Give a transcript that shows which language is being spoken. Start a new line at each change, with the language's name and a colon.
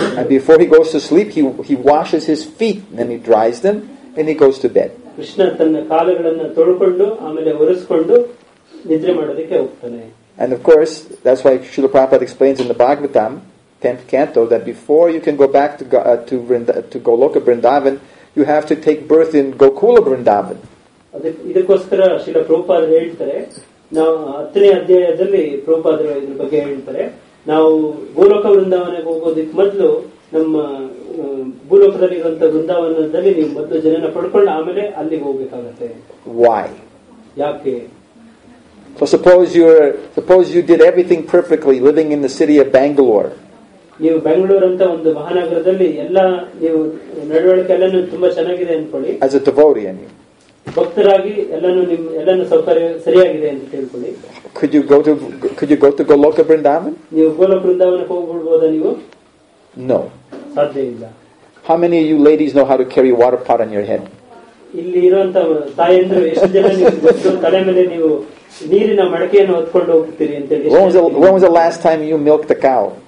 English: And before he goes to sleep he washes his feet and he dries them and he goes to bed.
Kannada: Krishna ತನ್ನ ಕಾಲುಗಳನ್ನು ತೊಳ್ಕೊಂಡು ಆಮೇಲೆ ಒರೆಸಿಕೊಂಡು ನಿದ್ರೆ ಮಾಡೋದಕ್ಕೆ ಹೋಗ್ತಾನೆ.
English: And of course, that's why Srila Prabhupada explains in the Bhagavatam, 10th canto, that before you can go back to Goloka Vrindavan, you have to take birth in Gokula Vrindavan.
Kannada: ಇದಕ್ಕೋಸ್ಕರ ಶ್ರೀಲ ಪ್ರಭುಪಾದರು ಹೇಳ್ತಾರೆ, ನಾವು 10ನೇ ಅಧ್ಯಾಯದಲ್ಲಿ ಪ್ರಭುಪಾದರು ಇದ್ರ ಬಗ್ಗೆ ಹೇಳ್ತಾರೆ, ನಾವು ಗೋಲೋಕ ವೃಂದಾವನಕ್ಕೆ ಹೋಗೋದಕ್ಕೆ ಮೊದಲು ನಮ್ಮ ಭೂಲೋಕದಲ್ಲಿ ಇರುವಂತಹ ವೃಂದಾವನದಲ್ಲಿ ನೀವು ಮೊದಲು ಜನನ ಪಡ್ಕೊಂಡು ಆಮೇಲೆ ಅಲ್ಲಿಗೆ ಹೋಗಬೇಕಾಗತ್ತೆ.
English: Why?
Kannada: ಯಾಕೆ?
English: So suppose you did everything perfectly living in the city of Bangalore.
Kannada: ನೀವು ಬೆಂಗಳೂರು ಅಂತ ಒಂದು ಮಹಾನಗರದಲ್ಲಿ ಎಲ್ಲ ನೀವು ನಡವಳಿಕೆ ಎಲ್ಲ ತುಂಬಾ ಚೆನ್ನಾಗಿದೆ ಅನ್ಕೊಳ್ಳಿ.
English: As a devotee,
Kannada: ನೀವು ಭಕ್ತರಾಗಿ ಎಲ್ಲಾನು ನಿಮ್ ಎಲ್ಲಾನು ಸೌಕರ್ಯ ಸರಿಯಾಗಿದೆ ಅಂತ ತಿಳ್ಕೊಳ್ಳಿ.
English: Could you go to Goloka Vrindavan?
Kannada: ನೀವು ಗೋಲೋಕ ವೃಂದಾವನಕ್ಕೆ ಹೋಗ್ಬಿಡ್ಬೋದಾ? ನೀವು
English: no,
Kannada: ಸಾಧ್ಯ ಇಲ್ಲ.
English: How many of you ladies know how to carry water pot on your head?
Kannada: ಇಲ್ಲಿ ಇರುವಂತ ತಾಯಂದ್ರು ಎಷ್ಟು ಜನ ನೀವು ತಲೆ ಮೇಲೆ ನೀವು ನೀರಿನ ಮಡಕೆಯನ್ನು ಹೊತ್ಕೊಂಡು ಹೋಗ್ತೀರಿ ಅಂತ ಹೇಳಿ.
English: When was the last time you milked the cow?